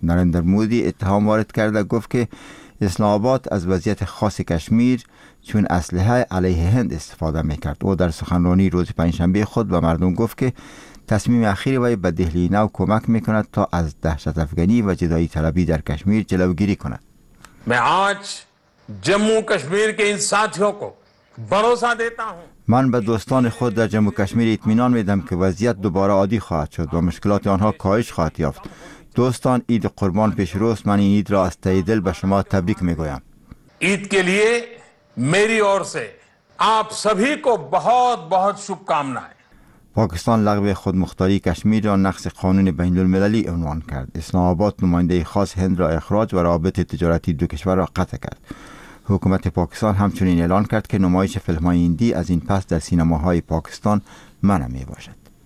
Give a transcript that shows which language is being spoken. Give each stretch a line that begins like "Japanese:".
Persian: نریندر مودی اتهام وارد کرده گفت که اسلام آباد از وضعیت خاص کشمیر چون اسلحه علیه هند استفاده می کرد. او در سخنرانی روز پنجشنبه خود به مردم گفت که تصمیم اخیر وی به دهلی نو کمک می کند تا از دهشت افغانی و جدایی طلبی در کشمیر جلوگیری کند.
Hindi: من آج جموں کشمیر کے ان ساتھیوں کو بھروسہ دیتا ہوں.
Persian: من به دوستان خود در جموں کشمیر اطمینان میدم که وضعیت دوباره عادی خواهد شد و مشکلات آنها کاهش خواهد یافت. دوستان عید قربان پیش روست. من این عید را از تهی دل به شما تبریک میگویم.
Hindi: عید کے لیے میری اور سے آپ سبھی کو بہت بہت شبھ کامنائیں.
Persian: پاکستان لغو خودمختاری کشمیر را نقض قانون بین المللی عنوان کرد. اسلام آباد نماینده خاص هند را اخراج و رابطه تجارتی دو کشور را قطع کرد. حکومت پاکستان همچنین اعلان کرد که نمایش فیلم های هندی از این پس در سینماهای پاکستان منع می باشد.